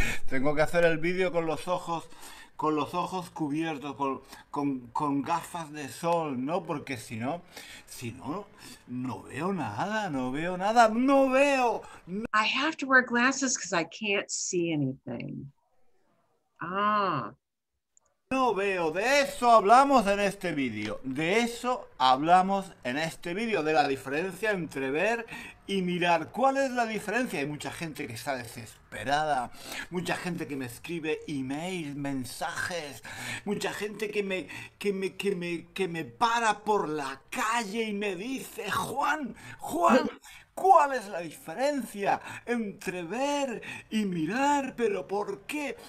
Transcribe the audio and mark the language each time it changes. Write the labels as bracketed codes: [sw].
[es] Tengo que hacer el vídeo con los ojos cubiertos, con gafas de sol, ¿no? Porque si no, no veo nada, no veo nada, no veo. [en] I have to wear glasses because I can't see anything. Ah. [es] No veo, de eso hablamos en este vídeo. De eso hablamos en este vídeo, de la diferencia entre ver y mirar. ¿Cuál es la diferencia? Hay mucha gente que está desesperada, mucha gente que me escribe emails, mensajes, mucha gente que me para por la calle y me dice, Juan, ¿cuál es la diferencia entre ver y mirar? ¿Pero por qué?